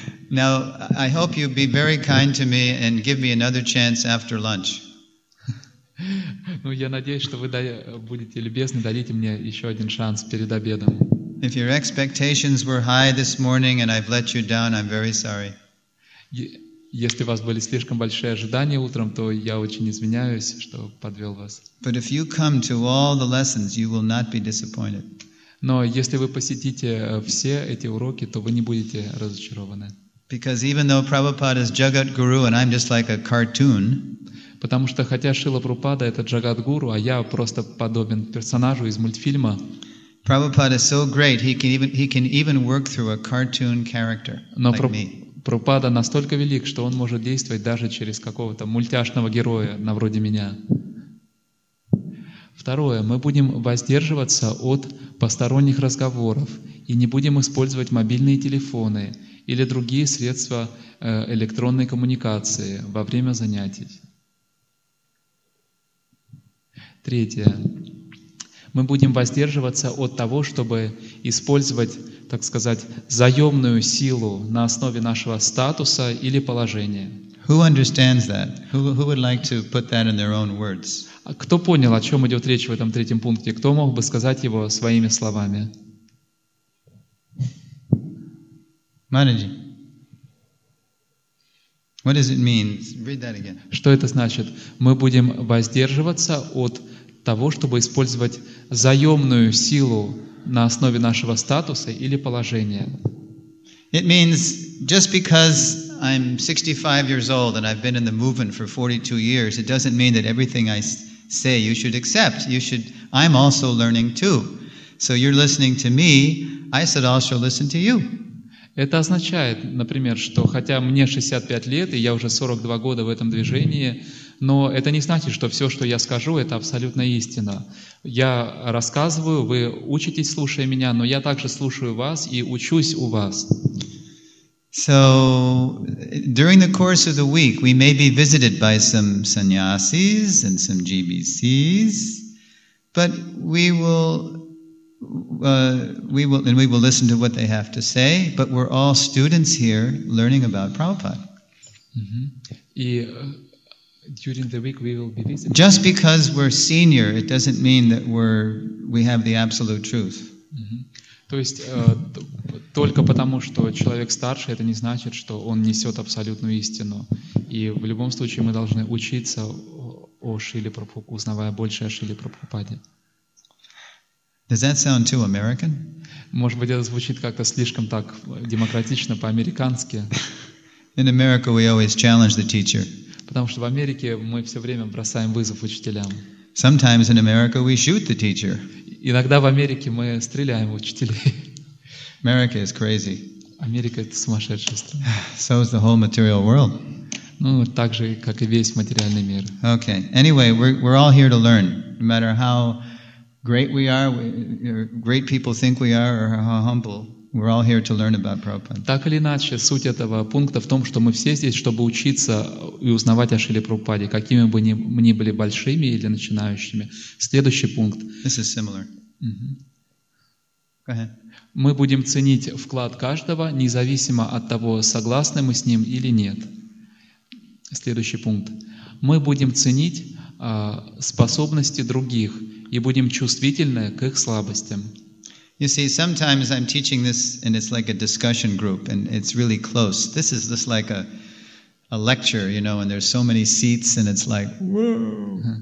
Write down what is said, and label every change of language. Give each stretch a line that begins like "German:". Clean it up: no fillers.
English: Now, I hope you be very kind to me and give me another chance after lunch.
Russian: Ну, я надеюсь, что вы будете любезны, дадите мне еще один шанс перед обедом.
English: If your expectations were high this morning and I've let you down, I'm very sorry.
Russian: Если у вас были слишком большие ожидания утром, то я очень извиняюсь, что подвел вас.
English: But if you come to all the lessons, you will not be disappointed.
Russian: Но если вы посетите все эти уроки, то вы не будете разочарованы.
English: Because even though Prabhupada is Jagat Guru and I'm just like a cartoon,
Russian: потому что хотя Шрила Прабхупада это Джагат-гуру, а я просто подобен персонажу из мультфильма.
English: Prabhupada is so great, he can even work through a cartoon character like me.
Russian: Но Прабхупада настолько велик, что он может действовать даже через какого-то мультяшного героя, на вроде меня. Второе, мы будем воздерживаться от посторонних разговоров и не будем использовать мобильные телефоны или другие средства электронной коммуникации во время занятий. Третье. Мы будем воздерживаться от того, чтобы использовать, так сказать, заемную силу на основе нашего статуса или положения.
English: Who understands that? Who would like to put that in their own words?
Russian: Кто понял, о чем идет речь в этом третьем пункте? Кто мог бы сказать его своими словами?
English: Manaji. What does it mean? Read that again.
Russian: Что это значит? Мы будем воздерживаться от того, чтобы использовать заемную силу на основе нашего статуса или положения.
English: It means just because I'm 65 years old and I've been in the movement for 42 years, it doesn't mean that everything I say you should accept. I'm also learning too. So you're listening to me, I should also listen to you.
Russian: Это означает, например, что хотя мне 65 лет, и я уже 42 года в этом движении, но это не значит, что все, что я скажу, это абсолютно истина. Я рассказываю, вы учитесь, слушая меня, но я также слушаю вас и учусь у вас.
English: So, during the course of the week, we may be visited by some sannyasis and some GBCs, but we will listen to what they have to say, but we're all students here learning about Prabhupada. During the week we will be visited. Just because we're senior, it doesn't mean that we have the absolute truth.
Russian: То есть только потому, что человек старше, это не значит, что он несет абсолютную истину. И в любом случае мы должны учиться о Шриле Прабхупаде, узнавая больше о Шриле Прабхупаде.
English: Does that sound too American?
Russian: Может быть, это звучит как-то слишком так демократично, по-американски.
English: In America, we always challenge the teacher.
Russian: Потому что в Америке мы все время бросаем вызов учителям.
English: Sometimes in America we shoot the teacher.
Russian: Иногда в Америке мы стреляем в учителей.
English: America is crazy.
Russian: Америка — это сумасшедшая страна.
English: So is the whole material world.
Russian: Ну, так же, как и весь материальный мир.
English: Okay. Anyway, we're all here to learn. No matter how great we are, great people think we are, or how humble, we're all here to learn about Prabhupada.
Russian: Так или иначе, суть этого пункта в том, что мы все здесь, чтобы учиться и узнавать о Шриле Прабхупаде, какими бы мы ни были большими или начинающими. Следующий пункт.
English: This is similar. Go ahead.
Russian: Мы будем ценить вклад каждого, независимо от того, согласны мы с ним или нет. Следующий пункт. Мы будем ценить способности других и будем чувствительны к их слабостям.
English: You see, sometimes I'm teaching this and it's like a discussion group and it's really close. This is just like a lecture, you know, and there's so many seats and it's like, whoa!